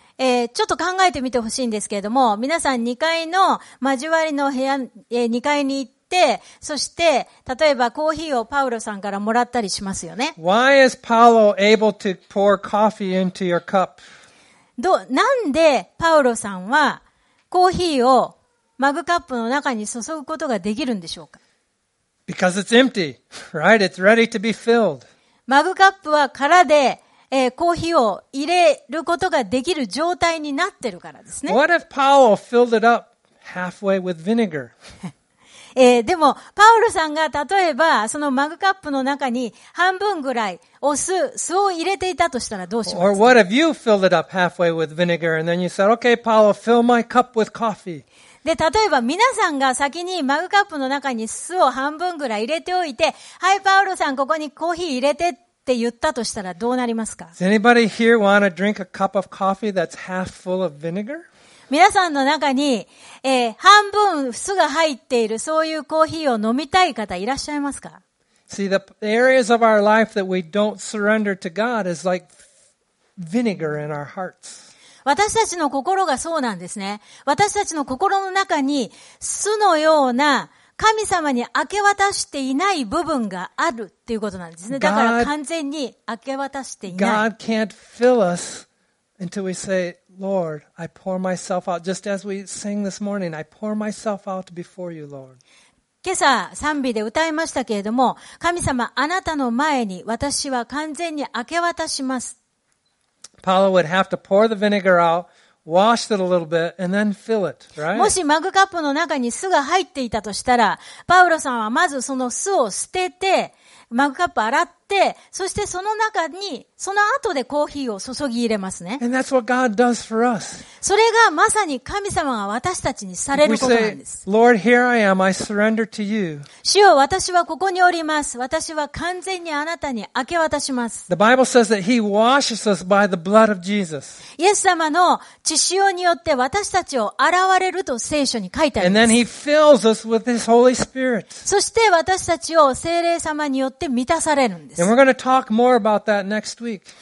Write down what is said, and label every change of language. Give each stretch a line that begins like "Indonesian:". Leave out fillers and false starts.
Japanese: ちょっと考えてみてほしいんですけれども、皆さん2階の交わりの部屋、2階に行って、そして、例えばコーヒーをパウロさんからもらったりしますよね。
English: Why is Paulo able to pour coffee into your cup?
Japanese: なんでパウロさんはコーヒーをマグカップの中に注ぐことができるんでしょうか？
English: Because it's empty, right? It's ready to be filled.
Japanese: マグカップは空で、コーヒーを入れることができる状態になってるからですね。
English: What if Paul filled it up halfway with vinegar?
Japanese: でもパウロさんが例えばそのマグカップの中に半分ぐらいお酢、酢を入れていたとしたらどうしますか？
English: Or what if you filled it up halfway with vinegar and then you said, "Okay, Paul, fill my cup with coffee."
Japanese: で例えば皆さんが先にマグカップの中に酢を半分ぐらい入れておいて、はいパウロさんここにコーヒー入れてって言ったとしたらどうなりますか？
English: Does anybody here want to drink a cup of coffee that's half full of vinegar?
Japanese: 皆さんの中に、半分酢が入っているそういうコーヒーを飲みたい方いらっしゃいますか？
English: See, the areas of our life that we don't surrender to God is like vinegar in our hearts.
Japanese: 私たちの心がそうなんですね。私たちの心の中に酢のような神様に明け渡していない部分があるっていうことなんですね。だから完全に明け渡していない。
English: God can't fill us until we say, Lord, I pour myself out. Just as we sang this morning, I pour myself out before you, Lord.
Japanese: 今朝賛美で歌いましたけれども、神様あなたの前に私は完全に明け渡します。
English: Paul would have to pour the vinegar out, wash it a little bit, and then fill it, right?
Japanese: もしマグカップの中に酢が入っていたとしたら、パウロさんはまずその酢を捨てて、マグカップ洗って、そしてその中に、その後でコーヒーを注ぎ入れますね。
English: And that's what God does for us.
Japanese: それがまさに神様が私たちにされることなんです。
English: We say, Lord, here I am, I surrender to you.
Japanese: 主よ、私はここにおります。私は完全にあなたに明け渡します。
English: The Bible says that He washes us by the blood of Jesus.
Japanese: イエス様の血潮によって私たちを洗われると聖書に書いてあります。
English: And then He fills us with His Holy Spirit.
Japanese: そして私たちを聖霊様によって満たされるんです。
English: And we're going to talk more about that next week.